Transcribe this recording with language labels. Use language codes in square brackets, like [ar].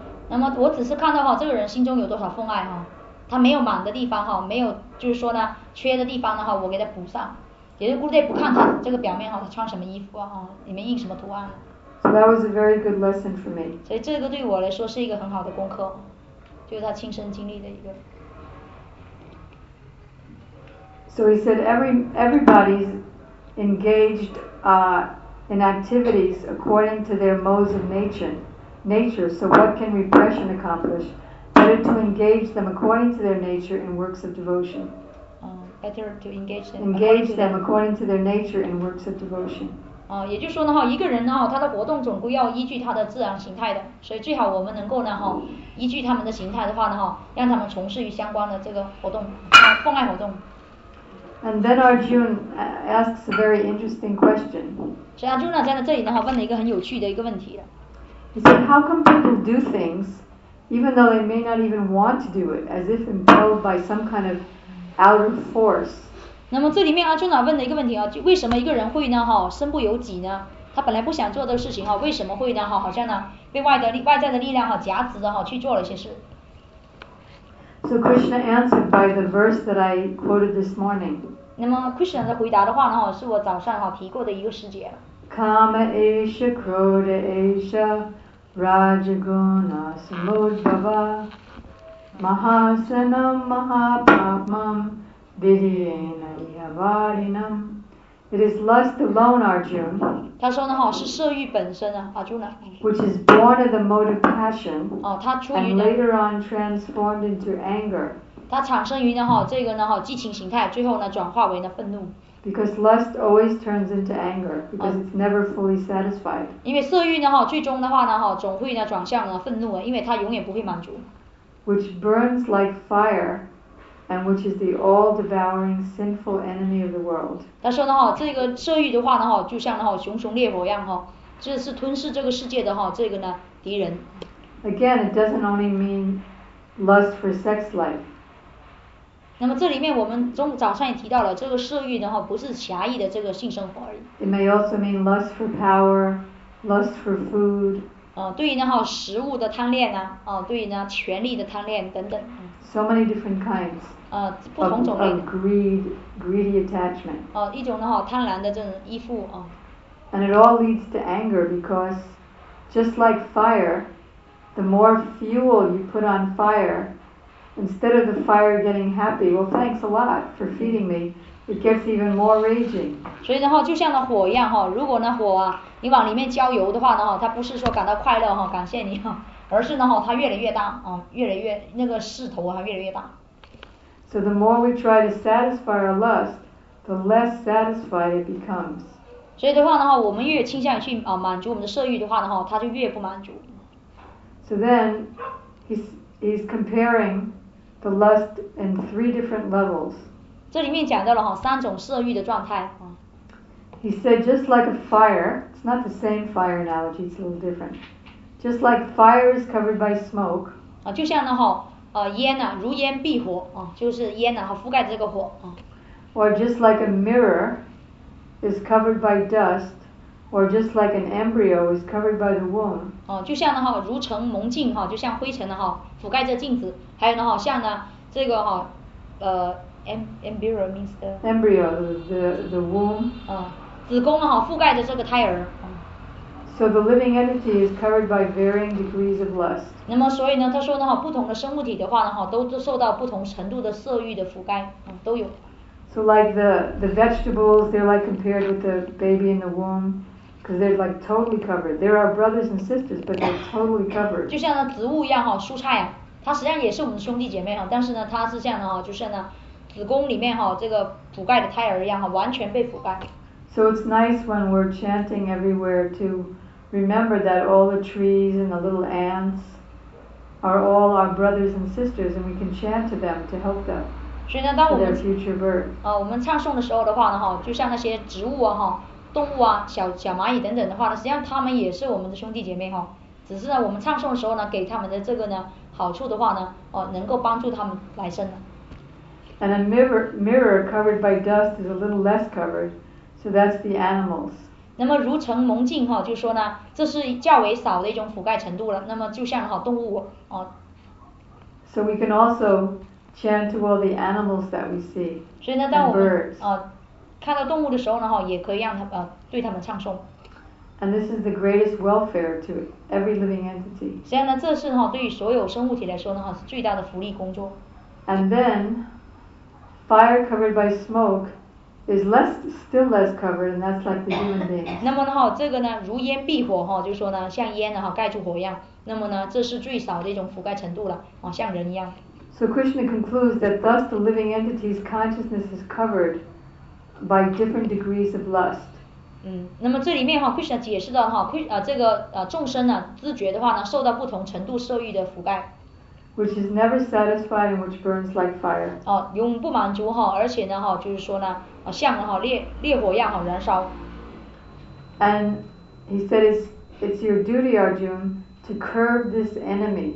[zh] 那么我只是看到哈，这个人心中有多少奉爱哈，他没有满的地方哈，没有就是说呢，缺的地方的话，我给他补上。也就是Gurudev不看他这个表面哈，他穿什么衣服啊哈，里面印什么图案。 [en] So that was a very good lesson for me. [zh] 所以这个对我来说是一个很好的功课，就是他亲身经历的一个。 [en] So he said everybody's engaged, in activities according to their modes of nature. So what can repression accomplish? Better to engage them according to their nature in works of devotion. Better to engage them. Engage them according to their nature in works of devotion. [zh] 也就是说呢哈，一个人呢哈，他的活动总归要依据他的自然形态的，所以最好我们能够呢哈，依据他们的形态的话呢哈，让他们从事于相关的这个活动，奉爱活动。 [en] And then Arjun asks a very interesting question. [zh] So Arjuna 在这里呢，问了一个很有趣的一个问题。 [en] He said, "How come people do things, even though they may not even want to do it, as if impelled by some kind of outer force?" [zh] 那么这里面Arjuna问了一个问题啊，为什么一个人会呢？哈，身不由己呢？他本来不想做这个事情哈，为什么会呢？哈，好像呢，被外在的力量哈夹持着哈去做了一些事。 [en] So Krishna answered by the verse that I quoted this morning. [zh] 那么 Krishna 的回答的话呢，是我早上提过的一个诗节。 [sa] Kama esha krodha esha rajaguna samudbhava mahasanam mahapapam vidhyena ihavarinam. [en] It is lust alone, Arjuna. [zh] 他说呢，是色欲本身啊， Arjuna. [en] Which is born of the motive passion. [zh] 哦，他出于。 [en] And later on transformed into anger. [zh] 它产生于呢，这个呢，激情形态，最后呢，转化为呢，愤怒。 [en] Because lust always turns into anger, because it's never fully satisfied. [zh] 因为色欲呢，最终的话呢，总会呢，转向了愤怒啊，因为它永远不会满足。 [en] Which burns like fire. And which is the all-devouring sinful enemy of the world. [zh] 他说呢哈，这个色欲的话呢哈，就像呢哈熊熊烈火一样哈，这是吞噬这个世界的哈这个呢敌人。 [en] Again, it doesn't only mean lust for sex life. [zh] 那么这里面我们中午早上也提到了，这个色欲的话不是狭义的这个性生活而已。 [en] It may also mean lust for power, lust for food. [zh] 对于呢哈食物的贪恋呐，对于呢权力的贪恋等等。 [en] So many different kinds of greedy attachment. [zh] 一种呢哈贪婪的这种依附啊。 [en] And it all leads to anger because, just like fire, the more fuel you put on fire, instead of the fire getting happy, well, thanks a lot for feeding me, it gets even more raging. [zh] 所以呢哈，就像那火一样哈，如果那火啊，你往里面浇油的话呢哈，它不是说感到快乐哈，感谢你哈。而是呢哈，它越来越大啊，越来越那个势头还越来越大。 [en] So the more we try to satisfy our lust, the less satisfied it becomes. [zh] 所以的话呢，我们越倾向于去啊满足我们的色欲的话呢，他就越不满足。 [en] So then, he's comparing the lust in three different levels. [zh] 这里面讲到了哈三种色欲的状态。 [en] He said, just like a fire, it's not the same fire analogy, it's a little different. Just like fire is covered by smoke. [zh] 啊，就像呢哈，烟呐、啊，如烟蔽火啊，就是烟呐、啊，覆盖这个火啊。 [en] Or just like a mirror is covered by dust, or just like an embryo is covered by the womb. [zh] 哦，就像呢哈，如尘蒙镜哈，就像灰尘呢哈，覆盖着镜子。还有呢哈，像呢这个哈， [en] embryo means the embryo, the womb. [zh] 啊、哦，子宫呢哈，覆盖着这个胎儿。 [en] So the living entity is covered by varying degrees of lust. [zh] 那么所以呢，他说呢哈，不同的生物体的话呢哈，都受到不同程度的色欲的覆盖，啊、嗯，都有。 [en] So like the vegetables, they're like compared with the baby in the womb, because they're like totally covered. They're our brothers and sisters, but they're totally covered. [zh] 就像那植物一样哈，蔬菜啊，它实际上也是我们的兄弟姐妹哈，但是呢，它是像呢哈，就是呢，子宫里面哈，这个覆盖的胎儿一样哈，完全被覆盖。 [en] So it's nice when we're chanting everywhere to remember that all the trees and the little ants are all our brothers and sisters, and we can chant to them to help them. [zh] 所以呢，当我们唱诵的时候的话呢，哈，就像那些植物啊，哈，动物啊，小蚂蚁等等的话呢，实际上他们也是我们的兄弟姐妹哈。只是呢，我们唱诵的时候呢，给他们的这个呢好处的话呢，哦，能够帮助他们来生呢。 [en] And a mirror covered by dust is a little less covered, so that's the animals. [zh] 那么如尘蒙镜哈，就说呢，这是较为少的一种覆盖程度了。那么就像哈动物哦。 [en] So we can also chant to all the animals that we see. [zh] 所以呢，当我们看到动物的时候呢，哈，也可以让他对他们唱诵。 [en] And this is the greatest welfare to every living entity. [zh] 实际上呢，这是哈对于所有生物体来说呢，哈是最大的福利工作。 [en] And then, fire covered by smoke is still less covered, and that's like the human being. [zh] 那么呢，哈，这个呢，如烟蔽火，哈，就是说呢，像烟呢，哈，盖住火一样。那么呢，这是最少的一种覆盖程度了，啊，像人一样。 [en] So Krishna concludes that thus the living entity's consciousness is covered by different degrees of lust. [zh] 嗯，那么这里面哈 ，Krishna 解释到哈，这个众生呢，知觉的话呢，受到不同程度色欲的覆盖。 [en] Which is never satisfied and which burns like fire. [zh] 哦，永不满足哈，而且呢哈，就是说呢，像哈烈火一样哈燃烧。 [en] And he said it's your duty, Arjuna, to curb this enemy.